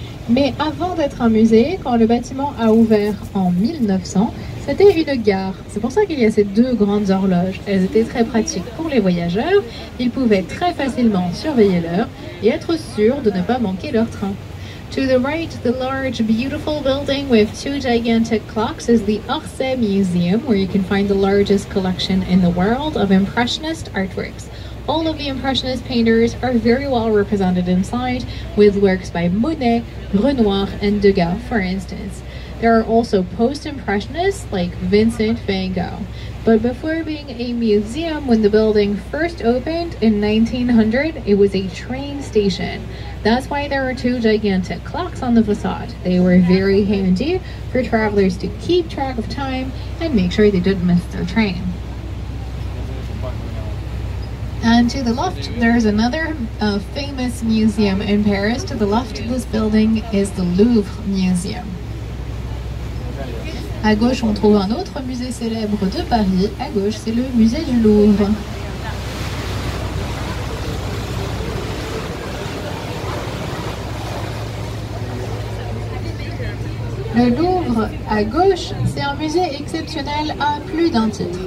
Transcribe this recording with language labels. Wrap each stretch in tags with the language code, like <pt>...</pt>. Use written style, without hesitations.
<fr>Mais avant d'être un musée, quand le bâtiment a ouvert en 1900, c'était une gare. C'est pour ça qu'il y a ces deux grandes horloges. Elles étaient très pratiques pour les voyageurs, ils pouvaient très facilement surveiller l'heure et être sûrs de ne pas manquer leur train.</fr> <en>To the right, the large, beautiful building with two gigantic clocks is the Orsay Museum, where you can find the largest collection in the world of Impressionist artworks. All of the Impressionist painters are very well represented inside, with works by Monet, Renoir, and Degas, for instance. There are also post-impressionists like Vincent van Gogh. But before being a museum, when the building first opened in 1900, it was a train station. That's why there are two gigantic clocks on the facade. They were very handy for travelers to keep track of time and make sure they didn't miss their train. And to the left, there's another famous museum in Paris. To the left of this building is the Louvre Museum.</en> <fr>À gauche, on trouve un autre musée célèbre de Paris. À gauche, c'est le musée du Louvre. Le Louvre, à gauche, c'est un musée exceptionnel à plus d'un titre.</fr>